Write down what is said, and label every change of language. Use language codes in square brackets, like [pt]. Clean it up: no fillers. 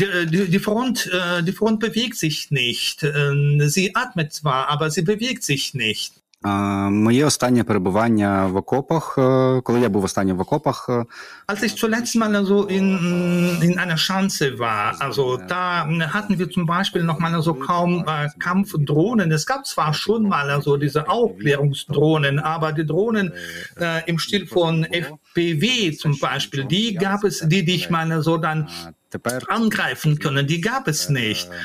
[de] Die Front bewegt sich nicht. Sie atmet zwar, aber sie bewegt sich nicht. [uk] Моє останнє перебування в окопах, коли я був останнє в окопах. [de] Als ich zuletzt mal so in einer Schanze war, also da hatten wir zum Beispiel noch mal so kaum Kampfdrohnen. Es gab zwar schon mal so diese Aufklärungsdrohnen, aber die Drohnen im Stil von FPV zum Beispiel, die gab es, die dich mal so dann angreifen können, die gab es nicht.